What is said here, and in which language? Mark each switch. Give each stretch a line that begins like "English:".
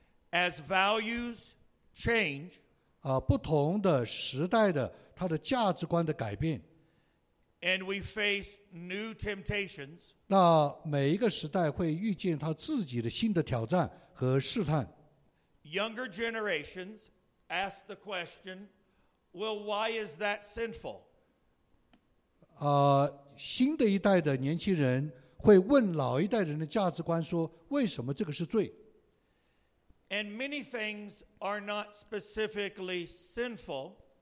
English: As values change,
Chinese: 不同的时代的它的价值观的改变。
English: And we face new temptations.
Chinese: 那每一个时代会遇见它自己的新的挑战和试探。
English: Younger generations ask the question, well, why is that sinful?
Chinese: 新的一代的年轻人会问老一代人的价值观说，为什么这个是罪？
English: And many things are not specifically sinful.